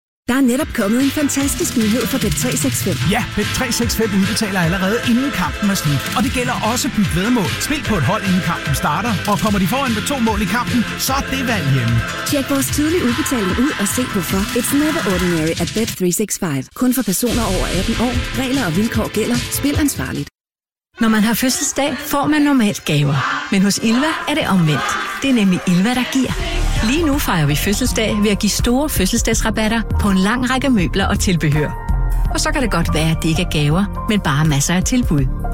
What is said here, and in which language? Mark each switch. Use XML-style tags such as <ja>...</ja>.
<da>Der er netop kommet en fantastisk nyhed for Bet365. Ja, Bet365 udbetaler allerede inden kampen er slut. Og det gælder også byt vedmål. Spil på et hold, inden kampen starter. Og kommer de foran med 2 mål i kampen, så er det valg hjemme. Tjek vores tidlige udbetaling ud og se hvorfor.</da> <en>It's never ordinary at Bet365.</en> <da>Kun for personer over 18 år. Regler og vilkår gælder. Spil ansvarligt. Når man har fødselsdag, får man normalt gaver. Men hos Ilva er det omvendt. Det er nemlig Ilva, der giver. Lige nu fejrer vi fødselsdag ved at give store fødselsdagsrabatter på en lang række møbler og tilbehør. Og så kan det godt være, at det ikke er gaver, men bare masser af tilbud.</da>